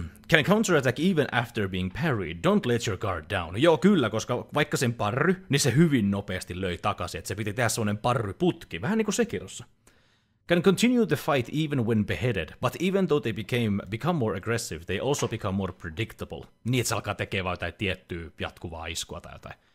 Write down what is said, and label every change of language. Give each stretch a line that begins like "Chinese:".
English: Can counterattack even after being parried. Don't let your guard down.
Finnish: Joo, kyllä, koska vaikka sen parry, niin se hyvin nopeasti löi takaisin, että se piti tehdä semmoinen parryputki. Vähän niin kuin Sekirossa.
English: Can continue the fight even when beheaded. But even though they become more aggressive, they also become more predictable.
Finnish: Niin, että se alkaa tekemään jotain tiettyä jatkuvaa iskua tai jotain.